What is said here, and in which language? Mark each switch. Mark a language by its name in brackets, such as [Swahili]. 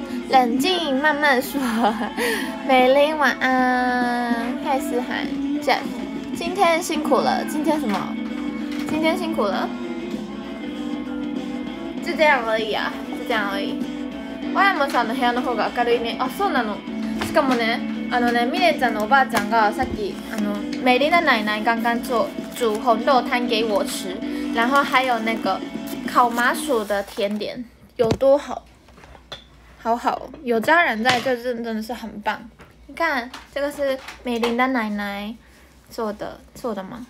[Chinese] 冷静，慢慢说。美玲晚安，嗨思涵 ，Jeff， 今天辛苦了。今天什么？今天辛苦了。就这样而已啊，就这样而已。 [Japanese] わやまさんの部屋の方が明るいね。あ、そうなの。しかもね、あのね、ミレちゃんのおばあちゃんがさっき、あの [Chinese] 美玲的奶奶刚刚煮红豆汤给我吃。然后还有那个烤麻薯的甜点有多好，好好，有家人在这真的是很棒。你看，这个是美玲的奶奶做的吗？